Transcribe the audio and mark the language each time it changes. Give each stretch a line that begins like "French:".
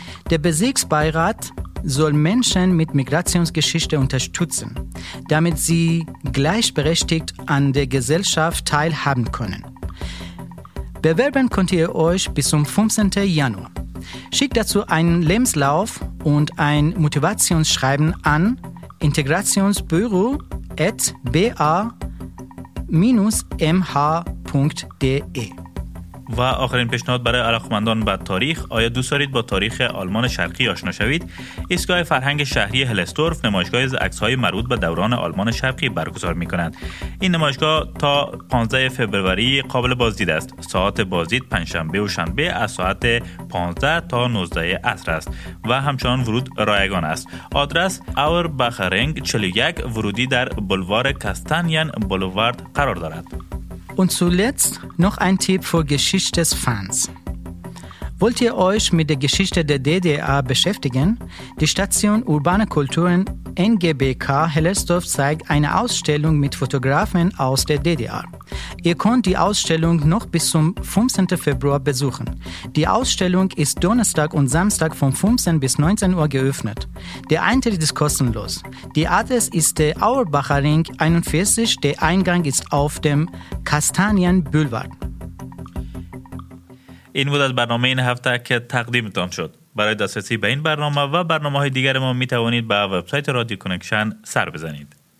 German: Der Bezirksbeirat soll Menschen mit Migrationsgeschichte unterstützen, damit sie gleichberechtigt an der Gesellschaft teilhaben können. Bewerben könnt ihr euch bis zum 15. Januar. Schickt dazu einen Lebenslauf und ein Motivationsschreiben an integrationsbüro@ba www.sportpalace-mh.de.
Persian: و آخرین پیشنهاد برای علاقمندان به تاریخ، آیا دوست دارید با تاریخ آلمان شرقی آشنا شوید؟ ایستگاه فرهنگ شهری هلستورف نمایشگاه از عکس‌های مربوط به دوران آلمان شرقی برگزار می‌کند. این نمایشگاه تا 15 فوریه قابل بازدید است. ساعت بازدید پنجشنبه و شنبه از ساعت 15 تا 19 عصر است و همچنان ورود رایگان است. آدرس اورباخرنگ 41، ورودی در بلوار کاستانیان بلوارد قرار دارد.
German: Und zuletzt noch ein Tipp für Geschichtsfans. Wollt ihr euch mit der Geschichte der DDR beschäftigen? Die Station Urbane Kulturen NGBK Hellersdorf zeigt eine Ausstellung mit Fotografen aus der DDR. Ihr könnt die Ausstellung noch bis zum 15. Februar besuchen. Die Ausstellung ist Donnerstag und Samstag von 15 bis 19 Uhr geöffnet. Der Eintritt ist kostenlos. Die Adresse ist der Auerbacher Ring 41, der Eingang ist auf dem Kastanien Boulevard.
Persian: این بود از برنامه این هفته که تقدیمتان شد. برای دسترسی به این برنامه و برنامه‌های دیگر ما می توانید به وبسایت رادیو کانکشن سر بزنید.